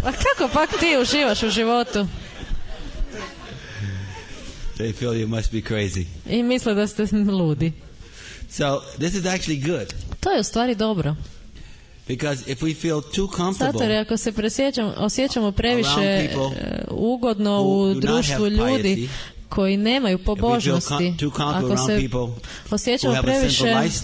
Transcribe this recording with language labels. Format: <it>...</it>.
<hr>A kako pak ti uživaš u životu?</hr> <en>They feel you must be crazy.</en> <hr>I misle da ste ludi.</hr> <en>So, this is actually good.</en> <hr>To je u stvari dobro.</hr> <en>Because if we feel too comfortable,</en> <hr>ako se osjećamo previše ugodno u društvu ljudi koji nemaju pobožnosti, ako se osjećamo previše</hr>